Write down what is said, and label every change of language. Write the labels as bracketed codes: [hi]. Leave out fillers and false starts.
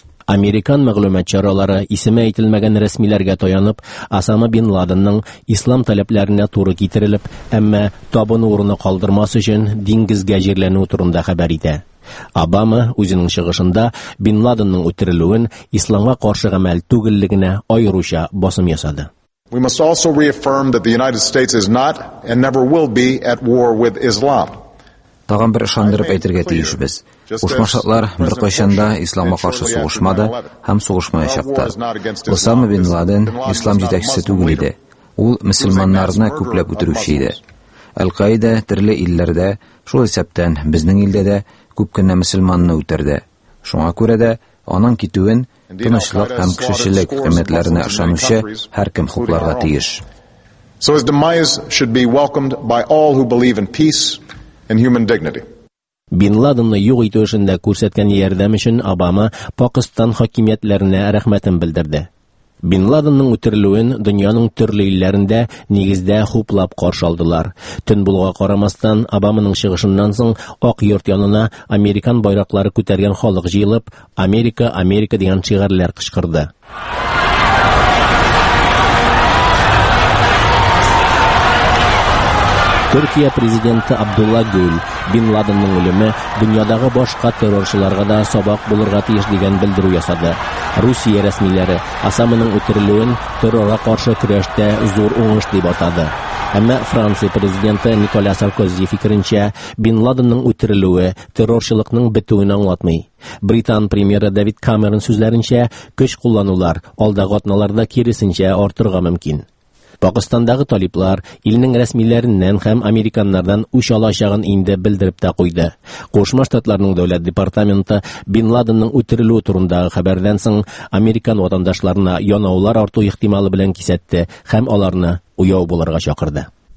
[tt] Американ мәгълүмәт чаралары исеме әйтелмәгән рәсмиләргә таянып, Осама Бин Ладенның ислам таләпләренә туры китерелеп, әмма табын урыны калдырмас өчен диңгезгә җирләнү турында хәбәр итә. Обама үзенең чыгышында Бин Ладенның үтерелүен исламга каршы гамәл түгеллегенә аеруча басым ясады. [en] We must also reaffirm that the United States is not and never will be at war with Islam. [tt] Тагын бер ышандырып әйтергә тиешбез. Кушма Штатлар беркайчан да исламга каршы сугышмады һәм сугышмаячакта. Осама Бин Ладен ислам җитәкчесе түгел иде. Ул мөселманнарны күпләп үтерүче иде. Әл-Каида төрле илләрдә, шул исәптән безнең илдә дә күп кенә мөселманны үтерде. Шуңа күрә дә аның китүен тынычлык һәм кешелек хөрмәтләренә ышанучы һәркем хупларга тиеш. [en] So his demise should be welcomed by all who believe in peace and human dignity. [tt] Бин Ладенны юк итү өчен дә күрсәткән ярдәм өчен Обама Пакистан хакимиятләренә рәхмәтен белдерде. Бин Ладенның үтерелүен дөньяның төрле илләрендә нигездә хуплап каршы алдылар. Төн булуга карамастан, Обаманың чыгышыннан соң Ак Йорт янына американ байраклары күтәргән халык җыелып, Америка, Америка дигән шигырьләр кычкырды. Төркия президенты Абдулла Гүл Бин Ладенның үлеме дөньядагы башка террорчыларга да сабак булырга тиеш дигән белдерү ясады. Русия рәсмиләре Осаманың үтерелүен террорга каршы көрәштә зур уңыш дип атады. Әмма Франция президенты Николя Саркози фикеренчә, Бин Ладенның үтерелүе террорчылыкның бетүен аңлатмый. Британ премьеры Дэвид Камерон сүзләренчә, көч куллануларны алдагы атналарда киресенчә артырга мөмкин. Pakistan'dagi taliblar ilinin resmilerinden hem Amerikanlardan uşalaşağın indi bildirip de koydu. Koşma Ştatlarının Devlet Departamenti Bin Laden'nin ütürülüğü turundağı haberden sın Amerikan vatandaşlarına yonavlar artu ihtimalı bilen kisetti hem onlarını uyau bularga şakırdı.